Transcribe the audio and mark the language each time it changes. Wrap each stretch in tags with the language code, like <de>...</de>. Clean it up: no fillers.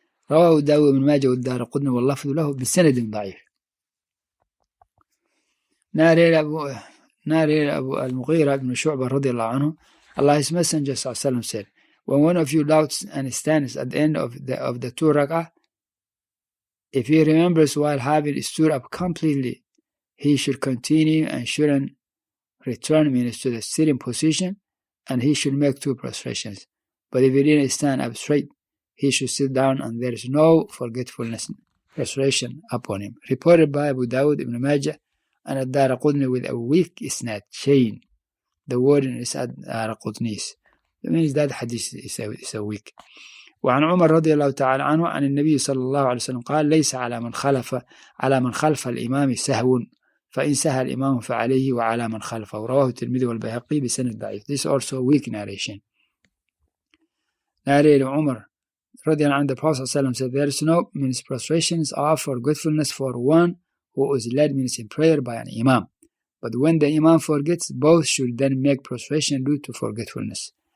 <ar>رواه داود بن ماجه والدارقطني واللفظ له بسند ضعيف.</ar> <en>Narrated Abu al-Mughira ibn Shu'ba radiallahu anhu, Allah's Messenger sallallahu alayhi wa sallam said, when one of you doubts and stands at the end of the two rak'ah, if he remembers while having stood up completely, he should continue and shouldn't return means to the sitting position, and he should make two prostrations. But if he didn't stand up straight, he should sit down, and there is no forgetfulness prostration upon him. Reported by Abu Dawud ibn Majah and Ad-Darqutni with a weak isnad chain. The word is Ad-Darqutni's. That means that hadith is a weak.</en> <ar>وعن عمر رضي الله تعالى عنه عن النبي صلى الله عليه وسلم قال ليس على من خلف الإمام سهو فإن سهى الإمام فعليه وعلى من خلفه. رواه الترمذي والبيهقي بسند ضعيف.</ar> <en>This also weak narration. Narrated عمر رضي الله عنه, the Prophet صلى الله عليه وسلم said, there is no means prostrations are for goodfulness for one who is led means in prayer by an imam. But when the imam forgets, both should then make prostration due to forgetfulness.</en>